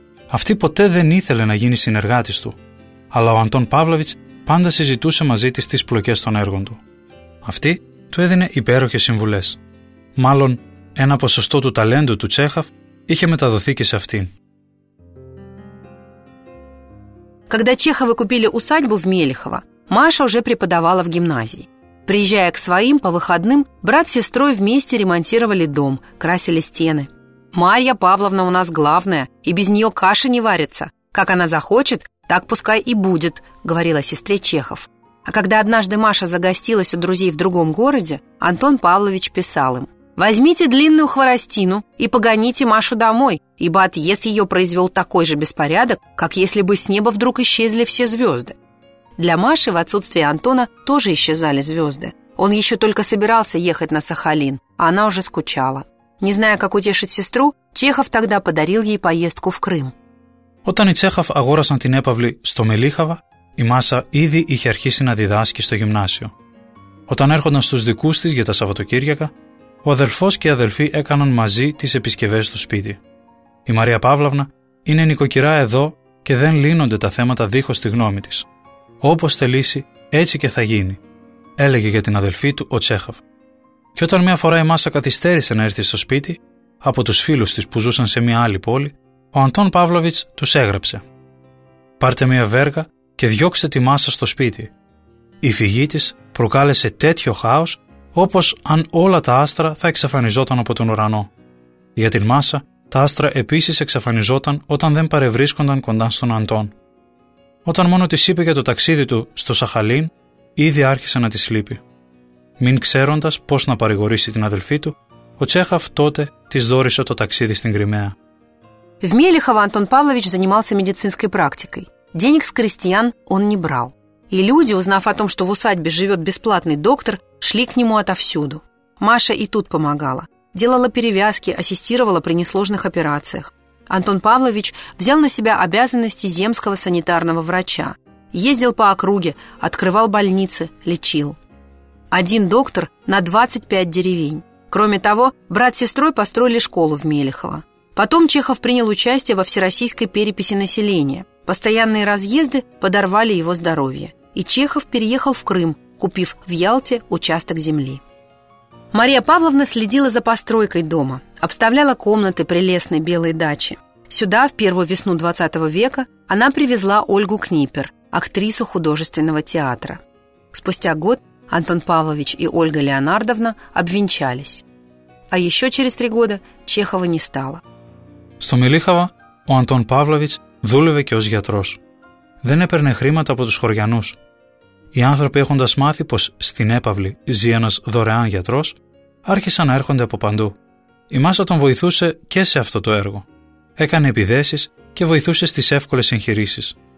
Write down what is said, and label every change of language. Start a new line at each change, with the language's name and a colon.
Greek: Αυτή ποτέ δεν ήθελε να γίνει συνεργάτης του, αλλά ο Αντών Παύλαβιτς πάντα συζητούσε μαζί της τις πλοκές των έργων του. Αυτή του έδινε υπέροχες συμβουλές. Μάλλον, ένα ποσοστό του ταλέντου του Τσέχαφ είχε μεταδοθεί και σε αυτήν.
Russian: Когда Чеховы купили усадьбу в Мелехово, Маша уже преподавала в гимназии. Приезжая к своим по выходным, брат с сестрой вместе ремонтировали дом, красили стены. «Марья Павловна у нас главная, и без нее каши не варится. Как она захочет, так пускай и будет», — говорила сестре Чехов. А когда однажды Маша загостилась у друзей в другом городе, Антон Павлович писал им: «Возьмите длинную хворостину и погоните Машу домой, ибо отъезд ее произвел такой же беспорядок, как если бы с неба вдруг исчезли все звезды». Для Маши в отсутствие Антона тоже исчезали звезды. Он еще только собирался ехать на Сахалин, а она уже скучала. Не зная, как утешить сестру, Чехов тогда подарил ей поездку в Крым.
Greek: Όταν η Τσέχοφ αγόρασαν την έπαυλη στο Μελίχαβα, η Μάσα ήδη είχε αρχίσει να διδάσκει στο γυμνάσιο. Όταν έρχονταν στους δικούς της για τα Σαββατοκύριακα, ο αδελφός και οι αδελφοί έκαναν μαζί τις επισκευές στο σπίτι. Η Μαρία Παύλαυνα είναι νοικοκυρά εδώ και δεν λύνονται τα θέματα δίχως τη γνώμη της. Όπως θελήσει, έτσι και θα γίνει, έλεγε για την αδελφή του ο Τσέχοφ. Και όταν μια φορά η Μάσα καθυστέρησε να έρθει στο σπίτι, από τους φίλους της που ζούσαν σε μια άλλη πόλη, ο Αντών Παύλοβιτς τους έγραψε: «Πάρτε μια βέργα και διώξτε τη Μάσα στο σπίτι. Η φυγή της προκάλεσε τέτοιο χάος όπως αν όλα τα άστρα θα εξαφανιζόταν από τον ουρανό. Για την Μάσα τα άστρα επίσης εξαφανιζόταν όταν δεν παρευρίσκονταν κοντά στον Αντών. Όταν μόνο της είπε για το ταξίδι του στο Σαχαλίν, ήδη άρχισε να της λείπει. Μην ξέροντας πώς να παρηγορήσει την αδελφή του, ο Τσέχοφ τότε της δώρησε το ταξίδι στην Κριμαία».
Russian: В Мелехово Антон Павлович занимался медицинской практикой. Денег с крестьян он не брал. И люди, узнав о том, что в усадьбе живет бесплатный доктор, шли к нему отовсюду. Маша и тут помогала. Делала перевязки, ассистировала при несложных операциях. Антон Павлович взял на себя обязанности земского санитарного врача. Ездил по округе, открывал больницы, лечил. Один доктор на 25 деревень. Кроме того, брат с сестрой построили школу в Мелехово. Потом Чехов принял участие во всероссийской переписи населения. Постоянные разъезды подорвали его здоровье. И Чехов переехал в Крым, купив в Ялте участок земли. Мария Павловна следила за постройкой дома, обставляла комнаты прелестной белой дачи. Сюда, в первую весну 20 века, она привезла Ольгу Книпер, актрису художественного театра. Спустя год Антон Павлович и Ольга Леонардовна обвенчались. А еще через 3 года Чехова не стало.
Greek: Στο Μελίχαβα, ο Αντών Παύλοβιτς δούλευε και ως γιατρός. Δεν έπαιρνε χρήματα από τους χωριανούς. Οι άνθρωποι, έχοντας μάθει πως στην έπαυλη ζει ένας δωρεάν γιατρός, άρχισαν να έρχονται από παντού. Η Μάσα τον βοηθούσε και σε αυτό το έργο. Έκανε επιδέσεις και βοηθούσε στις εύκολες εγχειρήσεις.